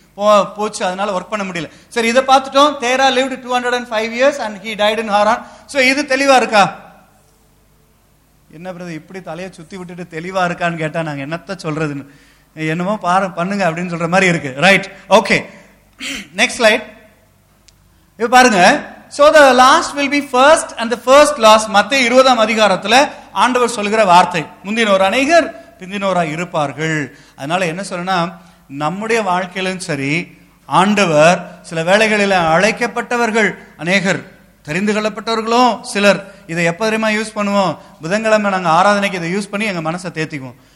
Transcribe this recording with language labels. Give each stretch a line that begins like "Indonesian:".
Tamil: போச்சு, அதனால ஒர்க் பண்ண முடியல. சரி, இதை பார்த்துட்டோம்,
English: Terah lived 205 years and he died in Haran.
Tamil: So இது தெளிவா இருக்கா? என்ன பிரதர் இப்படி தலையை சுத்தி விட்டுட்டு தெளிவா இருக்கான்னு கேட்டா நாங்க என்னத்த சொல்றதுன்னு, என்னமோ பாரு பண்ணுங்க அப்படின்னு சொல்ற மாதிரி இருக்கு. ரைட், ஓகே, நெக்ஸ்ட் ஸ்லைட் இப்ப பாருங்க.
English: So the last will be first and the first last.
Tamil: மத்தேயு 20 அதிகாரத்துல ஆண்டவர் சொல்கிற வார்த்தை, முந்தினோர் அநேகர் பிந்தினோராய் இருப்பார்கள். அதனால என்ன சொல்றேன்னா, நம்முடைய வாழ்க்கையிலும் சரி, ஆண்டவர் சில வேளைகளில் அழைக்கப்பட்டவர்கள் அநேகர், தெரிந்து கொள்ளப்பட்டவர்களும் சிலர். இதை எப்ப தெரியுமா யூஸ் பண்ணுவோம்? புதன்கிழமை நாங்கள் ஆராதனைக்கு இதை யூஸ் பண்ணி எங்க மனசை தேத்திக்குவோம்.